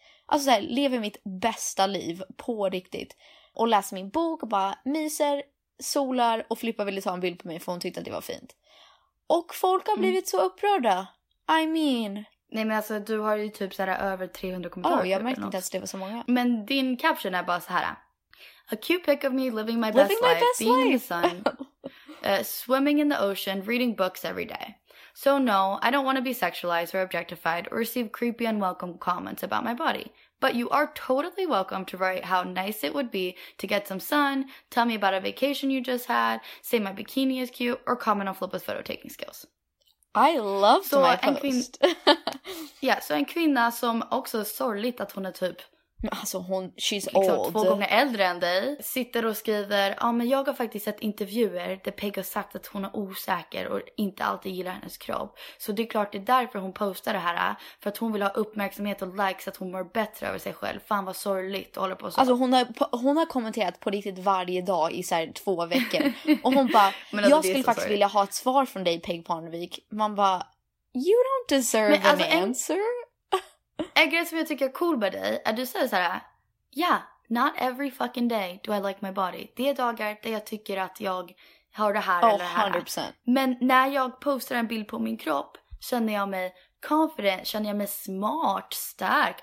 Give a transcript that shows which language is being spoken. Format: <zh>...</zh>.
<sv>Alltså såhär, lever mitt bästa liv på riktigt. Och läser min bok och bara myser, solar och Filippa ville ta en bild på mig för hon tyckte att det var fint. Och folk har blivit så upprörda.</sv> <en>I mean.</en> <sv>Nej men alltså, du har ju typ så här över 300 kommentarer. Ja, jag märkte inte att det var så många. Men din caption är bara så här:</sv> <en>a cute pic of me living my best life. Being in the sun. swimming in the ocean, reading books every day. So no, I don't want to be sexualized or objectified or receive creepy unwelcome comments about my body. But you are totally welcome to write how nice it would be to get some sun, tell me about a vacation you just had, say my bikini is cute, or comment on Flippa's photo taking skills. I loved my post.</en> <sv>Så en kvinna som också sorgligt att hon är typ Alltså hon,</sv> <en>she's old.</en> <sv>Två gånger äldre än dig. Sitter och skriver, ja men jag har faktiskt sett intervjuer där Peg har sagt att hon är osäker och inte alltid gillar hennes kropp. Så det är klart det är därför hon postar det här. För att hon vill ha uppmärksamhet och likes, att hon mår bättre över sig själv. Fan vad sorgligt att hålla på så. Alltså hon har kommenterat på riktigt varje dag i så här 2 veckor. Och hon bara, alltså, jag skulle faktiskt sorry. Vilja ha ett svar från dig Peg Parnevik. Man bara,</sv> <en>you don't deserve men, an alltså, answer.</en> <sv>En grej som jag tycker är cool med dig är du säger så här:</sv> <en>yeah, not every fucking day do I like my body.</en> <sv>Det är dagar där jag tycker att jag har det här eller det här. 100%. Men när jag postar en bild på min kropp känner jag mig confident, känner jag mig smart, stark.</sv>